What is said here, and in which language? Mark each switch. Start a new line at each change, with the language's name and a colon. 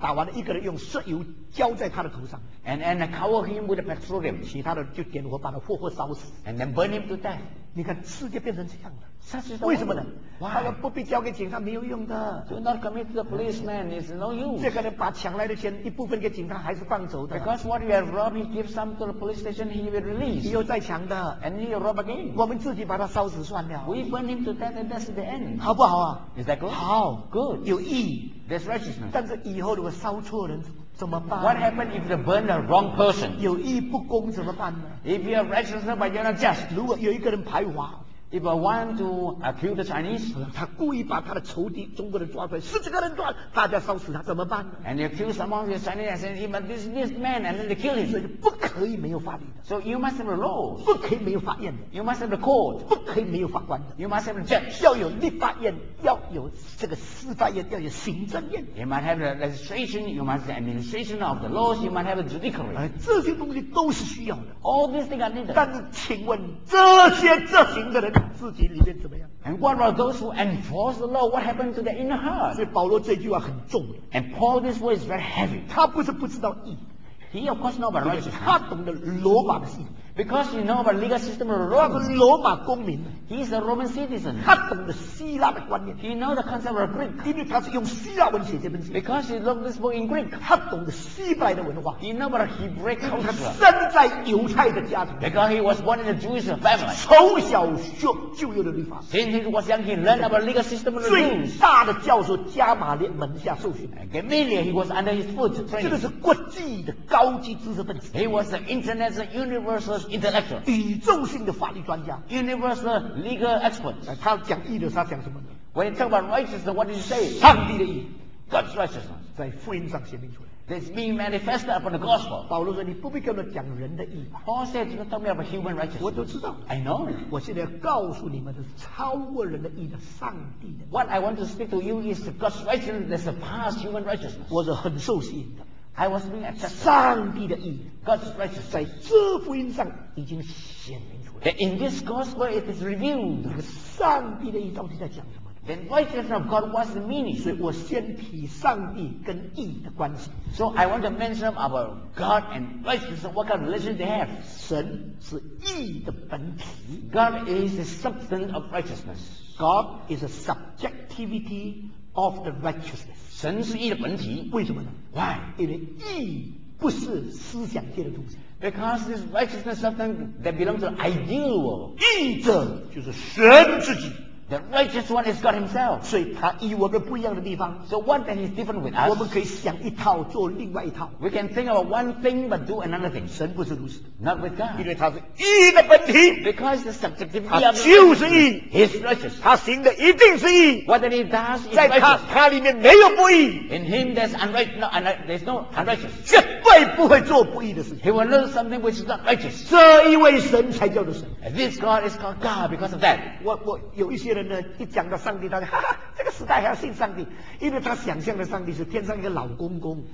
Chinese: 打完了，一个人用石油浇在他的头上。
English: And cover him with a petroleum.
Chinese: 其他的就点火把他活活烧死。
English: And then burn him to death.
Chinese: 你看世界变成这样了。
English: Such is the world.
Chinese: 为什么呢？
English: Why?
Chinese: 他们不必交给警察没有用的。
English: Do not commit to the policeman. It's no use.
Chinese: 这个人把抢来的钱一部分给警察还是放走的。
English: Because what you have robbed, he gives some to the police station, he will release.
Chinese: 又再抢的。
English: And he will rob again.
Chinese: 我们自己把他烧死算了。
English: We burn him to death and that's the end.
Chinese: 好不好啊？
English: Is that good?
Chinese: 好。
English: Good.
Chinese: 有意义。
English: That's righteousness.
Chinese: 但是以后如果烧错人怎么办？
English: What happened if they burn the wrong person?
Chinese: 有意不公怎么办呢？
English: If you are righteous but you're not just.
Chinese: 如果有一个人排华。
English: If I want to accuse the Chinese,
Chinese: 他故意把他的仇敌中国人抓出来，十几个人抓，大家烧死他怎么办？
English: And you accuse someone who is Chinese and say, even this man, and then they kill him.
Chinese: 所以不可以没有法律的。
English: So you must have a law.
Chinese: 不可以没有法院的。
English: You must have a court.
Chinese: 不可以没有法官的。
English: You must have a judge.
Chinese: 要有立法院，要有这个司法院，要有行政院。
English: You must have the legislation. You must have the administration of the laws. You must have a judiciary.
Chinese: 这些东西都是需要的。
English: All these things are needed.
Chinese: 但是请问这些执行的人？自己里面怎么样？
English: And what about those who enforce the law? What happened to their inner heart?
Chinese: 所以保罗这句话很重。
English: And Paul this word is very heavy.
Chinese: 他不是不知道义。
English: He of course knows about righteousness.
Chinese: 他懂得罗马的义。
English: Because he knows about legal system of Rome.
Chinese: 他是罗马公民。
English: He is a Roman citizen.
Chinese: 他懂得希腊的观念。
English: He knows the concept of Greek.
Chinese: 因为他是用希腊文写这本书。
English: Because he wrote this book in Greek.
Chinese: 他懂得希伯来的文化。
English: He knows about Hebraic culture.
Chinese: 他生在犹太的家庭。
English: Because he was born in a Jewish family.
Chinese: 从小学旧约的律法。
English: Since he was young, he learned about legal system of Rome.
Chinese: 最大的教授加玛列门下受训。
English: Gamaliel, he was under his foot.
Chinese: 这个是国际的高级知识分子。
English: He was an international universal intellectual.
Chinese: 宇宙性的法律专家。
English: Universal legal expert.
Chinese: 他讲义的时候讲什么呢？
English: When he talk about righteousness, what did he say?
Chinese: 上帝的义。
English: God's righteousness.
Chinese: 在福音上显明出来。
English: That's being manifested upon the gospel.
Chinese: 保罗说你不必跟我讲人的义。
English: Paul said, you don't tell me about human righteousness.
Chinese: 我都知道。
English: I know.
Chinese: 我现在要告诉你们的是超过人的义的上帝的。
English: What I want to speak to you is God's righteousness that surpasses human righteousness.
Chinese: 我是很受吸引的。
English: I was being accepted.
Chinese: 上帝的义。
English: God's righteousness
Chinese: 在这福音上已经显明出来。
English: That in this gospel it is revealed.
Chinese: 这个上帝的义到底在讲什么？
English: Then righteousness of God, what's the meaning?
Chinese: 所以我先提上帝跟义的关系。
English: So I want to mention about God and righteousness, what kind of relation they have.
Chinese: 神是义的本体。
English: God is the substance of righteousness. God is a subjectivity of the righteousness.
Chinese: 神是义的本体。为什么呢？
English: Why?
Chinese: 因为义不是思想界的东西。
English: Because this righteousness is something that belongs to the ideal world.
Chinese: 义者就是神自己。
English: The righteous one is God himself.
Chinese: 所以他与我们不一样的地方。
English: So one thing is different with us.
Chinese: 我们可以想一套做另外一套。
English: We can think about one thing but do another thing.
Chinese: 神不是如此。
English: Not with God.
Chinese: 因为他是义的本体。
English: Because the subjective
Chinese: 他就是义。
English: He's righteous.
Chinese: 他行的一定是义。
English: What that he does is
Chinese: 在
English: righteous.
Chinese: 他里面没有不义。
English: In him there's, there's no unrighteous.
Chinese: 绝对不会做不义的事情。
English: He will learn something which is not righteous.
Chinese: 这一位神才叫做神。
English: This God is called God because of that.
Chinese: 我有一些人一讲到上帝，大家哈哈，这个时代还要信上帝，因为他想象的上帝是天上一个老公公。